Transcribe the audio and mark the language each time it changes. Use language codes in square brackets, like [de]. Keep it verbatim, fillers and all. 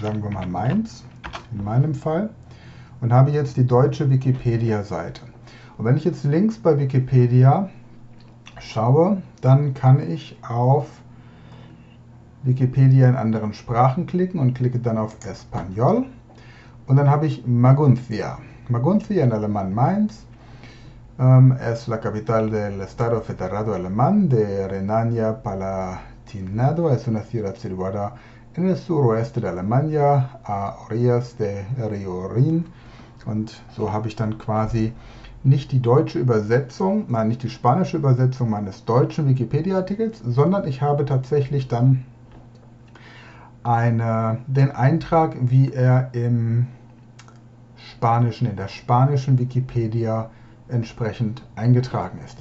[de] Sagen wir mal Mainz, in meinem Fall. Und habe jetzt die deutsche Wikipedia-Seite. Und wenn ich jetzt links bei Wikipedia schaue, dann kann ich auf Wikipedia in anderen Sprachen klicken und klicke dann auf Español. Und dann habe ich Maguncia. [es] Maguncia in Alemán Mainz. Um, es la capital del estado federado alemán de Renania-Palatinado. Es una ciudad situada en el suroeste de Alemania, a orillas de Río Rin. [de] Und so habe ich dann quasi nicht die deutsche Übersetzung, nein, nicht die spanische Übersetzung meines deutschen Wikipedia-Artikels, sondern ich habe tatsächlich dann eine, den Eintrag, wie er im Spanischen, in der spanischen Wikipedia entsprechend eingetragen ist.